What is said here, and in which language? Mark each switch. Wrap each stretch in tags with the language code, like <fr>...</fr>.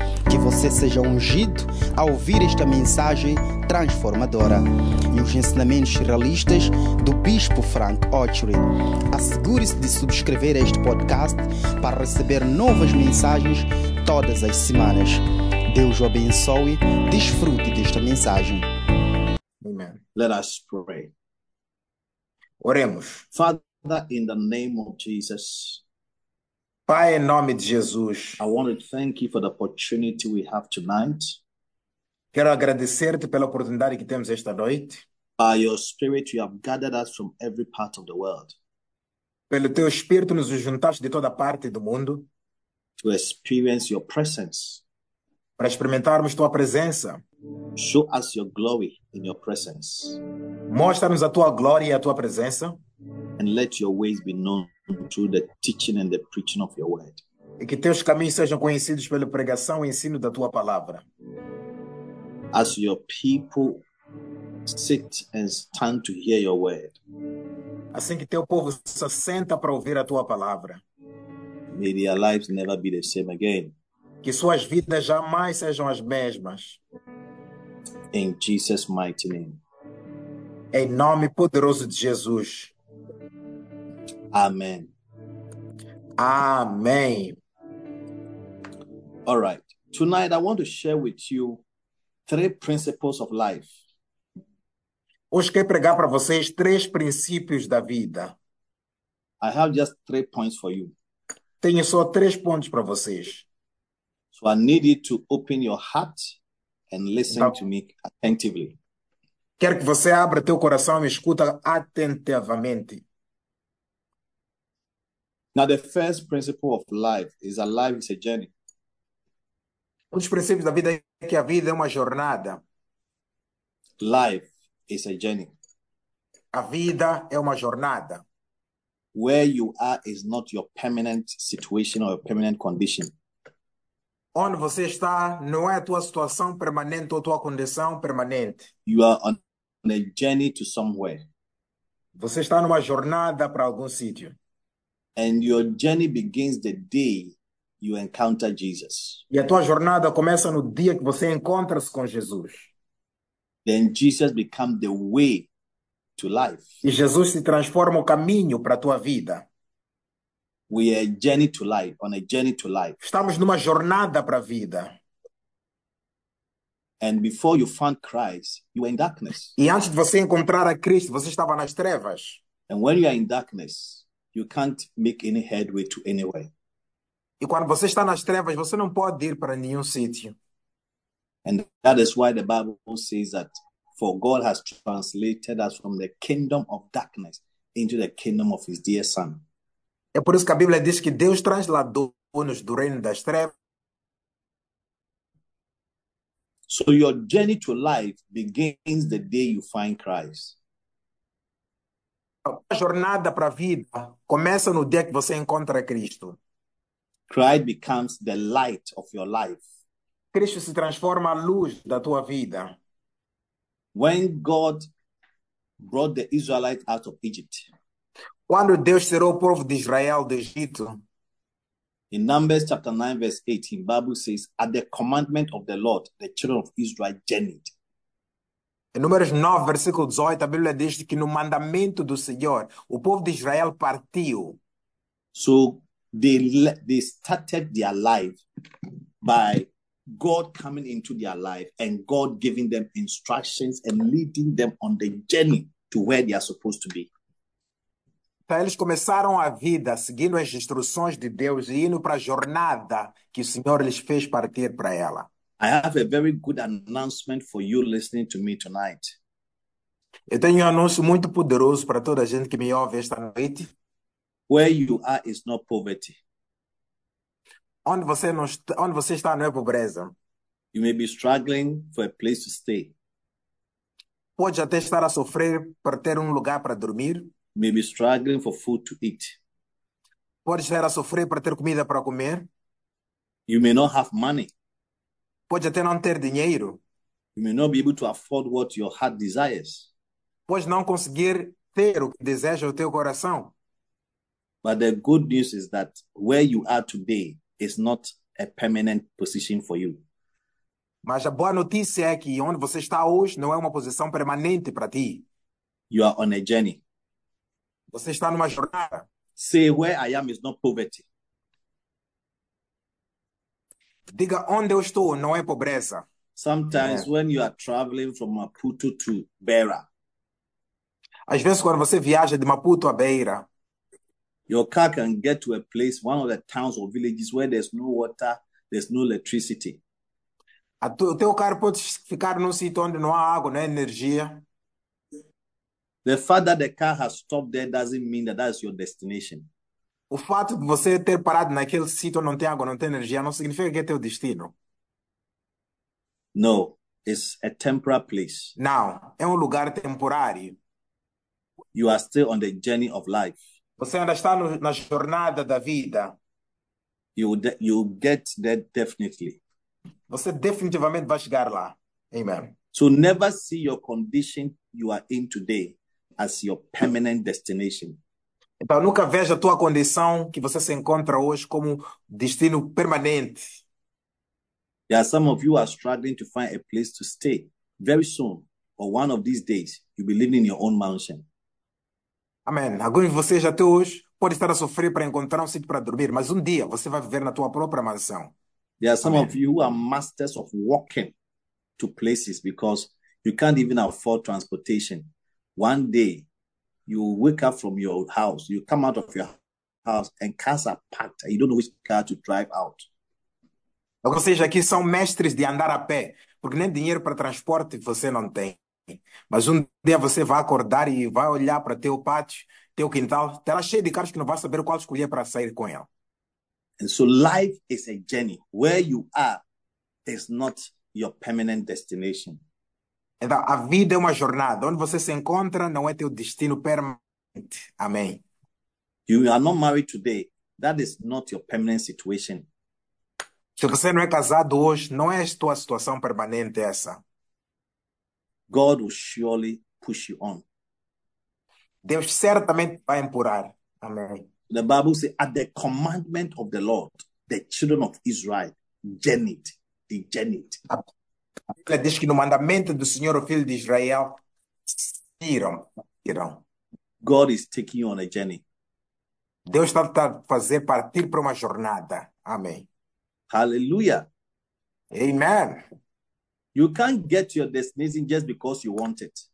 <pt>Que você seja ungido a ouvir esta mensagem transformadora e os ensinamentos realistas do Bispo Frank Ochoa. Assegure-se de subscrever este podcast para receber novas mensagens todas as semanas. Deus o abençoe. Desfrute desta mensagem.</pt> <en>Amen. Let us pray.</en> <pt>Oremos.</pt> <en>Father, in the name of Jesus.</en> <pt>Pai, em nome de Jesus.</pt> <en>I want to thank you for the opportunity we have tonight.</en> <pt>Quero agradecer-te pela oportunidade que temos esta noite.</pt> <en>By your spirit, you have gathered us from every part of the world.</en> <pt>Pelo teu espírito, nos juntaste de toda parte do mundo.</pt> <en>To experience your presence.</en> <pt>Para experimentarmos tua presença.</pt> <en>Show us your glory in your presence.</en> <pt>Mostra-nos a tua glória e a tua presença.</pt> <en>And let your ways be known through the teaching and the preaching of your word.</en> <pt>E que teus caminhos sejam conhecidos pela pregação e ensino da tua palavra.</pt> <en>As your people sit and stand to hear your word.</en> <pt>Assim que teu povo se senta para ouvir a tua palavra.</pt> <en>May their lives never be the same again.</en> <pt>Que suas vidas jamais sejam as mesmas.</pt> <en>In Jesus' mighty name.</en> <pt>Em nome poderoso de Jesus. Amém. Amém.</pt> <en>All right. Tonight I want to share with you three principles of life.</en> <pt>Hoje quero pregar para vocês três princípios da vida.</pt> <en>I have just three points for you.</en> <pt>Tenho só três pontos para vocês.</pt> <en>So I need you to open your heart and listen to me attentively.</en> <pt>Quero que você abra teu coração e me escuta atentamente.</pt> <en>Now, the first principle of life is a life is a journey.</en> <pt>Um dos princípios da vida é que a vida é uma jornada.</pt> <en>Life is a journey.</en> <pt>A vida é uma jornada.</pt> <en>Where you are is not your permanent situation or your permanent condition.</en> <pt>Onde você está não é a tua situação permanente ou a tua condição permanente.</pt> <en>You are on a journey to somewhere.</en> <pt>Você está numa jornada para algum sítio.</pt> <en>And your journey begins the day you encounter Jesus.</en> <pt>E a tua jornada começa no dia que você encontra-se com Jesus.</pt> <en>Then Jesus becomes the way to life.</en> <pt>E Jesus se transforma o caminho para a tua vida.</pt> <en>We are journey to life, on a journey to life.</en> <pt>Estamos numa jornada para a vida.</pt> <en>And before you found Christ, you were in darkness.</en> <pt>E antes de você encontrar a Cristo, você estava nas trevas.</pt> <en>And when you are in darkness, you can't make any headway to anywhere.</en> <pt>E quando você está nas trevas, você não pode ir para nenhum sítio.</pt> <en>And that is why the Bible says that for God has translated us from the kingdom of darkness into the kingdom of his dear son.</en> <pt>É por isso que a Bíblia diz que Deus transladou-nos do reino das trevas.</pt> <en>So your journey to life begins the day you find Christ.</en> <pt>A jornada para a vida começa no dia que você encontra Cristo.</pt> <en>Christ becomes the light of your life.</en> <pt>Cristo se transforma a luz da tua vida.</pt> <en>When God brought the Israelites out of Egypt.</en> <pt>Quando Deus tirou o povo de Israel do Egito.</pt> <en>In Numbers chapter 9 verse 18, Bible says, at the commandment of the Lord, the children of Israel journeyed.</en> <pt>Em Números 9, versículo 18, a Bíblia diz que no mandamento do Senhor, o povo de Israel partiu.</pt> <en>So they started their life by God coming into their life and God giving them instructions and leading them on the journey to where they are supposed to be.</en> <pt>Então, eles começaram a vida seguindo as instruções de Deus e indo para a jornada que o Senhor lhes fez partir para ela.</pt> <en>I have a very good announcement for you listening to me tonight.</en> <pt>Eu tenho um anúncio muito poderoso para toda a gente que me ouve esta noite.</pt> <en>Where you are is not poverty.</en> <pt>Onde você está não é pobreza.</pt> <en>You may be struggling for a place to stay.</en> <pt>Pode até estar a sofrer para ter um lugar para dormir.</pt> <en>May be struggling for food to eat.</en> <pt>Pode estar a sofrer para ter comida para comer.</pt> <en>You may not have money.</en> <pt>Pode até não ter dinheiro.</pt> <en>You may not be able to afford what your heart desires.</en> <pt>Pode não conseguir ter o que deseja o teu coração.</pt> <en>But the good news is that where you are today is not a permanent position for you.</en> <pt>Mas a boa notícia é que onde você está hoje não é uma posição permanente para ti.</pt> <en>You are on a journey.</en> <pt>Você está numa jornada.</pt> <en>Say where I am is not poverty.</en> <pt>Diga onde eu estou não é pobreza.</pt> <en>Sometimes when you are traveling from Maputo to Beira.</en> <pt>Às vezes quando você viaja de Maputo a Beira.</pt> <en>Your car can get to a place, one of the towns or villages where there's no water, there's no electricity.</en> <pt>O teu carro pode ficar num sítio onde não há água, não há energia.</pt> <en>The fact that the car has stopped there doesn't mean that that's your destination.</en> <pt>O fato de você ter parado naquele sítio onde não tem água, não tem energia, não significa que é teu destino.</pt> <en>No, it's a temporary place.</en> <pt>Não, é lugar temporário.</pt> <en>You are still on the journey of life.</en> <pt>Você ainda está na jornada da vida.</pt> <en>You get there definitely.</en> <pt>Você definitivamente vai chegar lá.</pt> <en>Amen. So never see your condition you are in today as your permanent destination.</en> <pt>Então nunca veja a tua condição que você se encontra hoje como destino permanente.</pt> <en>Yeah, some of you are struggling to find a place to stay. Very soon, or one of these days, you'll be living in your own mansion.</en> <pt>Amém. Alguns de vocês até hoje podem estar a sofrer para encontrar um sítio para dormir, mas um dia você vai viver na tua própria mansão.</pt> <en>There are some of you who are masters of walking to places because you can't even afford transportation. One day, you wake up from your house, you come out of your house, and cars are packed, and you don't know which car to drive out.</en> <pt>Ou seja, aqui são mestres de andar a pé, porque nem dinheiro para transporte você não tem. Mas um dia você vai acordar e vai olhar para teu pátio, teu quintal, terá cheio de carros que não vai saber qual escolher para sair com ele.</pt> <en>And so life is a journey. Where you are is not your permanent destination.</en> <pt>Então, a vida é uma jornada. Onde você se encontra não é teu destino permanente. Amém.</pt> <en>You are not married today. That is not your permanent situation.</en> <pt>Se você não é casado hoje, não é a tua situação permanente essa.</pt> <en>God will surely push you on.</en> <pt>Deus certamente vai empurrar. Amém.</pt> <en>The Bible says, at the commandment of the Lord, the children of Israel journeyed, they journeyed.</en> <pt>A Bíblia diz que no mandamento do Senhor, o filho de Israel, seguiram.</pt> <en>God is taking you on a journey.</en> <pt>Deus está a fazer partir para uma jornada. Amém.</pt> <en>Hallelujah. Amen. You can't get to your destination just because you want it.</en>